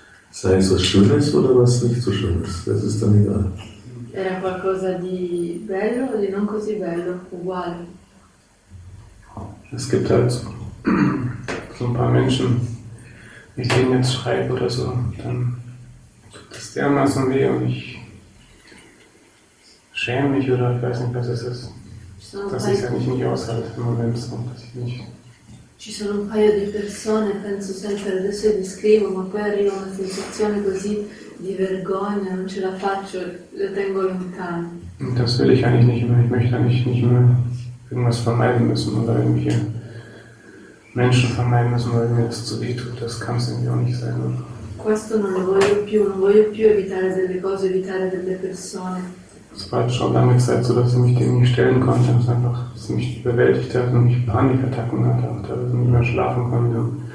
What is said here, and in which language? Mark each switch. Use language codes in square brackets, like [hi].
[de] Sei es was Schönes oder was nicht so Schönes, das ist dann egal. [it] Era qualcosa di bello o di non così bello, uguale. [de] Es gibt halt so ein paar Menschen, ich denen jetzt schreibe oder so, dann tut das dermaßen weh und ich schäme mich oder ich weiß nicht, was es ist. Dass ich es eigentlich nicht aushalte im Moment so, dass ich nicht. [it] Ci sono un paio di persone, penso sempre, adesso io li scrivo, ma poi arriva una sensazione così di vergogna, non ce la faccio, la tengo lontano. [de] Das will ich eigentlich nicht mehr. Ich möchte eigentlich nicht mehr irgendwas vermeiden müssen oder irgendwie Menschen vermeiden müssen, weil mir das zu weh tut, das kann es irgendwie auch nicht sein. [it] Questo non lo voglio più, non voglio più evitare delle cose, evitare delle persone. [de] Es war jetzt schon lange Zeit so, dass ich mich dem nicht stellen konnte, dass einfach dass mich überwältigt hat und mich Panikattacken hatte und dass ich nicht mehr schlafen konnte.